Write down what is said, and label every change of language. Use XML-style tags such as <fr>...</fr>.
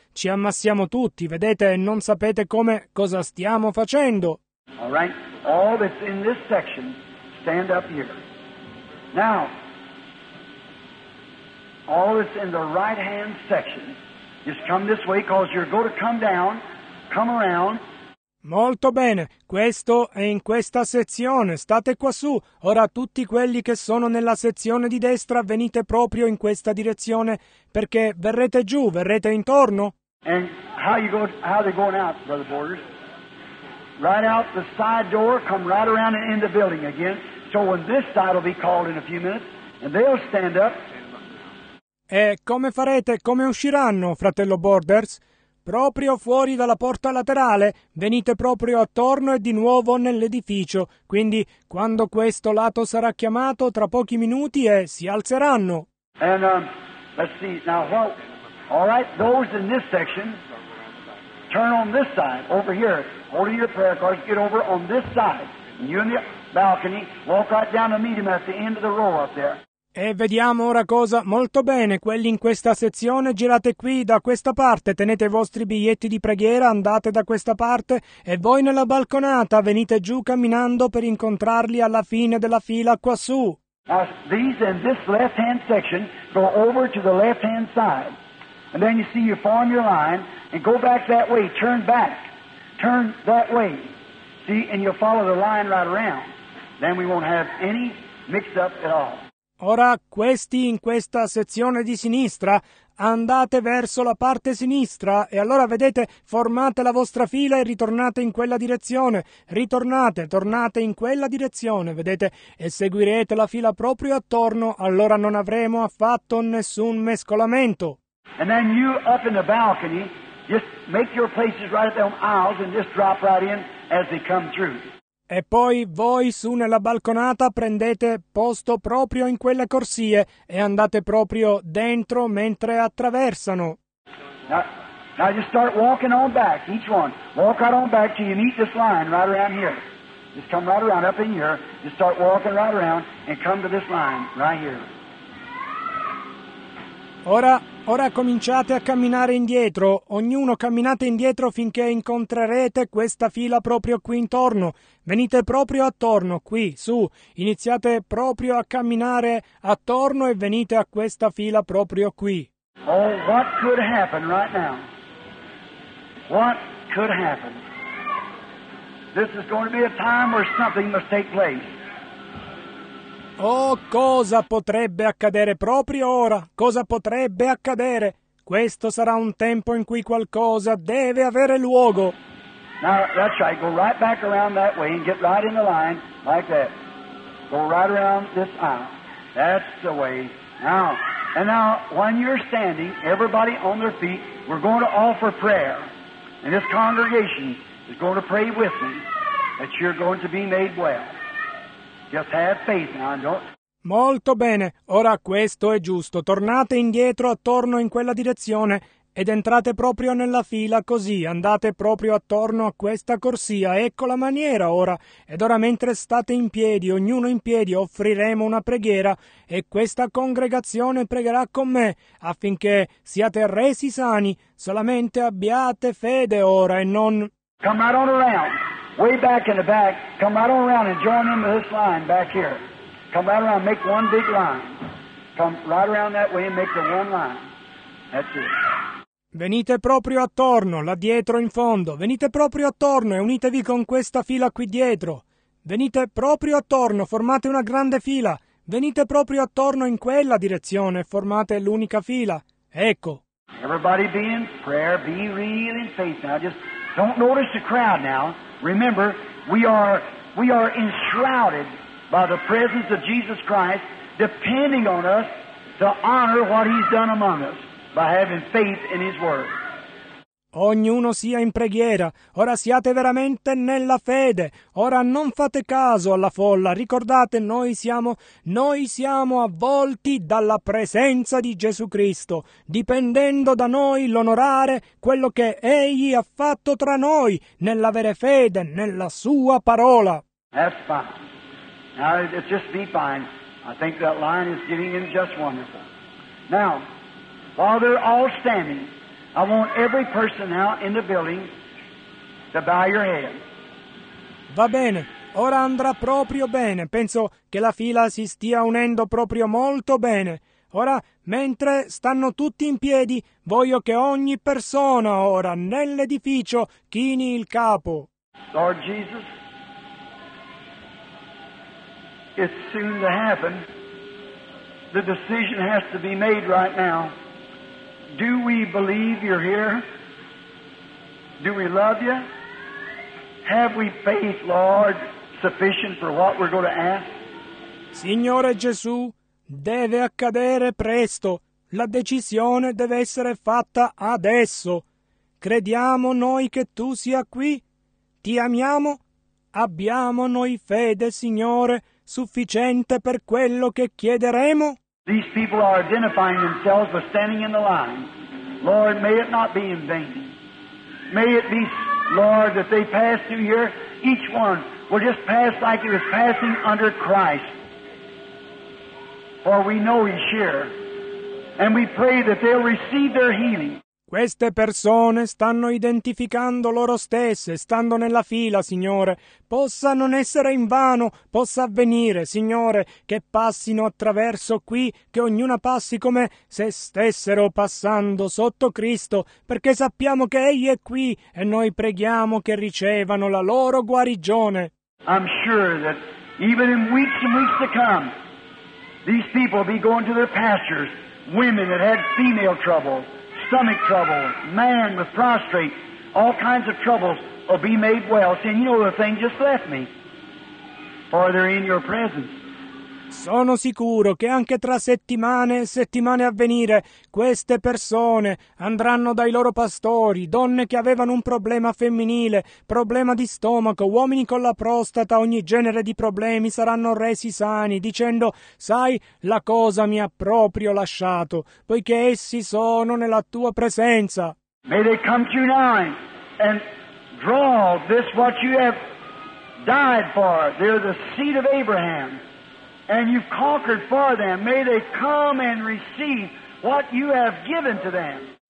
<it>Ci ammassiamo tutti, vedete, e non sapete come cosa stiamo facendo.</it> <en>All right. All that's in this section, stand up here. Now, all that's in the right-hand section, just come this way, because you're going to come down, come around.</en> <it>Molto bene, questo è in questa sezione, state quassù. Ora tutti quelli che sono nella sezione di destra, venite proprio in questa direzione, perché verrete giù, verrete intorno.</it> <en>And how they're going out, Brother Borders? Right out the side door, come right around and in the building again. So when this side will be called in a few minutes, and they'll stand up.</en> <it>E come farete? Come usciranno, fratello Borders? Proprio fuori dalla porta laterale, venite proprio attorno e di nuovo nell'edificio. Quindi, quando questo lato sarà chiamato, tra pochi minuti e si alzeranno.</it> <en>And, let's see, now, well, all right, those in this section, turn on this side, over here. Hold your prayer cards, get over on this side. And you in the balcony, walk right down to meet him at the end of the row up there.</en> <it>E vediamo ora cosa. Molto bene, quelli in questa sezione, girate qui da questa parte, tenete i vostri biglietti di preghiera, andate da questa parte e voi nella balconata venite giù camminando per incontrarli alla fine della fila quassù.</it> <en>These in this left hand section go over to the left hand side, and then you see you form your line and go back that way, turn back, turn that way, see, and you follow the line right around, then we won't have any mix up at all.</en> <it>Ora, questi in questa sezione di sinistra, andate verso la parte sinistra e allora vedete, formate la vostra fila e ritornate in quella direzione. Ritornate, tornate in quella direzione, vedete, e seguirete la fila proprio attorno, allora non avremo affatto nessun mescolamento.</it> <en>And then you up in the balcony, just make your places right at the aisles and just drop right in as they come through.</en> <it>E poi voi su nella balconata prendete posto proprio in quelle corsie e andate proprio dentro mentre attraversano.</it> <en>Now just start walking on back, each one. Walk right on back till you meet this line right around here. Just come right around, up in here. Just start walking right around and come to this line right here.</en> <it>Ora cominciate a camminare indietro, ognuno camminate indietro finché incontrerete questa fila proprio qui intorno. Venite proprio attorno, qui, su, iniziate proprio a camminare attorno e venite a questa fila proprio qui.</it> <en>Oh, what could happen right now? What could happen? This is going to be a time where something must take place.</en> <it>Oh, cosa potrebbe accadere proprio ora? Cosa potrebbe accadere? Questo sarà un tempo in cui qualcosa deve avere luogo.</it> <en>Now, that's right. Go right back around that way and get right in the line, like that. Go right around this aisle. That's the way. Now, and now, when you're standing, everybody on their feet, we're going to offer prayer. And this congregation is going to pray with me that you're going to be made well. Just have faith now, don't.</en> <it>Molto bene, ora questo è giusto. Tornate indietro attorno in quella direzione ed entrate proprio nella fila così. Andate proprio attorno a questa corsia. Ecco la maniera ora. Ed ora mentre state in piedi, ognuno in piedi, offriremo una preghiera e questa congregazione pregherà con me affinché siate resi sani. Solamente abbiate fede ora e non...</it> <en>Come right on around. Way back in the back, come right on around and join into this line back here. Come right around, make one big line. Come right around that way and make the one line. That's it.</en> <it>Venite proprio attorno, là dietro in fondo. Venite proprio attorno e unitevi con questa fila qui dietro. Venite proprio attorno, formate una grande fila. Venite proprio attorno in quella direzione e formate l'unica fila. Ecco.</it> <en>Everybody be in prayer, be real in faith now. Just don't notice the crowd now. Remember, we are enshrouded by the presence of Jesus Christ, depending on us to honor what He's done among us by having faith in His Word.</en> <it>Ognuno sia in preghiera. Ora siate veramente nella fede. Ora non fate caso alla folla. Ricordate, noi siamo avvolti dalla presenza di Gesù Cristo, dipendendo da noi l'onorare quello che Egli ha fatto tra noi nell'avere fede nella Sua parola.</it> <en>That's fine. Now, it's just be fine. I think that line is getting in just wonderful. Now, while they're all standing, I want every person now in the building to bow your head.</en> <it>Va bene. Ora andrà proprio bene. Penso che la fila si stia unendo proprio molto bene. Ora, mentre stanno tutti in piedi, voglio che ogni persona ora nell'edificio chini il capo.</it> <en>Lord Jesus, it's soon to happen. The decision has to be made right now. Do we believe you're here? Do we love you? Have we faith, Lord, sufficient for what we're going to ask?</en> <it>Signore Gesù, deve accadere presto. La decisione deve essere fatta adesso. Crediamo noi che tu sia qui? Ti amiamo? Abbiamo noi fede, Signore, sufficiente per quello che chiederemo?</it> <en>These people are identifying themselves with standing in the line. Lord, may it not be in vain. May it be, Lord, that they pass through here, each one will just pass like it was passing under Christ. For we know he's here, and we pray that they'll receive their healing.</en> <it>Queste persone stanno identificando loro stesse, stando nella fila, Signore. Possa non essere in vano, possa avvenire, Signore, che passino attraverso qui, che ognuna passi come se stessero passando sotto Cristo, perché sappiamo che Egli è qui e noi preghiamo che ricevano la loro guarigione.</it> <en>I'm sure that even in weeks and weeks to come, these people will be going to their pastors, women that had female trouble. Stomach trouble, man with prostrate, all kinds of troubles will be made well. See, you know the thing just left me. For they're in your presence.</en> <it>Sono sicuro che anche tra settimane e settimane a venire queste persone andranno dai loro pastori, donne che avevano un problema femminile, problema di stomaco, uomini con la prostata, ogni genere di problemi saranno resi sani, dicendo: sai, la cosa mi ha proprio lasciato, poiché essi sono nella tua presenza.</it> <en>May they come to you now and draw this what you have died for. They're the seed of Abraham. And you've conquered for them. May they come and receive what you have given to them.</en>